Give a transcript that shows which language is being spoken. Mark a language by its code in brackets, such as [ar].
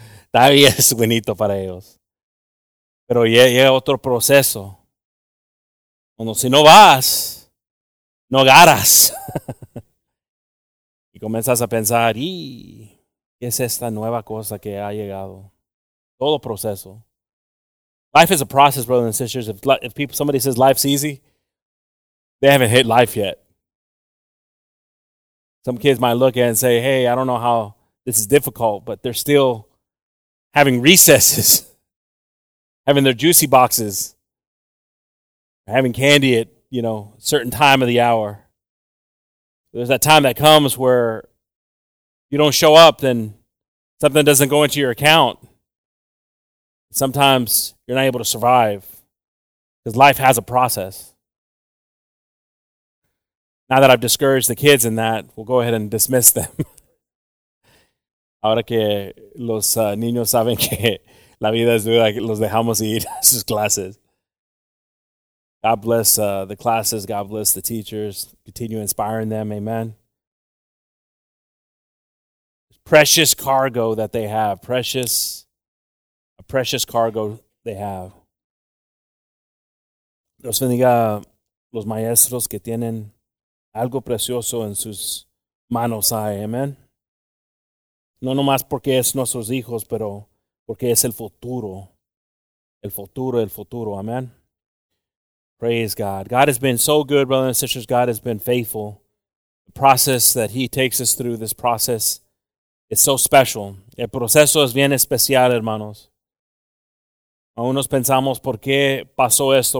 [es] Todavía es buenito para ellos. Pero llega otro proceso. Cuando si no vas, no ganas. Y comienzas a pensar, ¿y qué es esta nueva cosa que ha llegado? Todo proceso. [en] Life is a process, brothers and sisters. If somebody says life's easy, they haven't hit life yet. Some kids might look at it and say, hey, I don't know how this is difficult, but they're still having recesses, having their juicy boxes, having candy at, you know, certain time of the hour. There's that time that comes where you don't show up, then something doesn't go into your account. Sometimes you're not able to survive because life has a process. Now that I've discouraged the kids in that, we'll go ahead and dismiss them. [es] Ahora que los niños saben que la vida es dura, los dejamos ir a sus clases. [en] God bless the classes. God bless the teachers. Continue inspiring them. Amen. Precious cargo that they have. Precious cargo they have. [es] Dios bendiga los maestros que tienen algo precioso en sus manos. Amen. No nomás porque es nuestros hijos, pero porque es el futuro. El futuro. Amen. [en] Praise God. God has been so good, brothers and sisters. God has been faithful. The process that he takes us through, this process, is so special. [es] El proceso es bien especial, hermanos. Aún nos pensamos, ¿por qué pasó esto?